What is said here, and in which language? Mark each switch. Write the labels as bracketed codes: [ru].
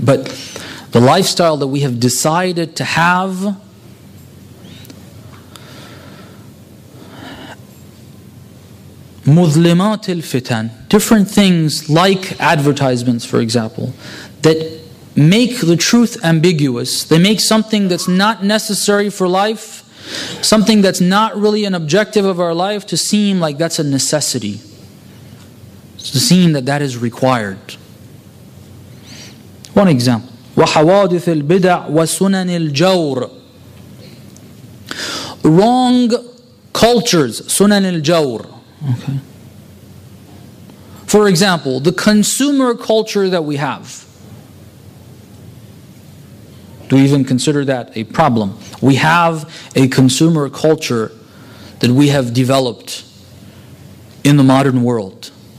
[en] But the lifestyle that we have decided to have, [ar] مظلمات الفتن, [en] different things like advertisements, for example, that make the truth ambiguous. They make something that's not necessary for life, something that's not really an objective of our life, to seem like that's a necessity, to seem that that is required. One example. [ar] وحوادث البدع وسنن الجور. [en] Wrong cultures, [ar] سنن الجور. [en] Okay. For example, the consumer culture that we have. Do we even consider that a problem? We have a consumer culture that we have developed in the modern world.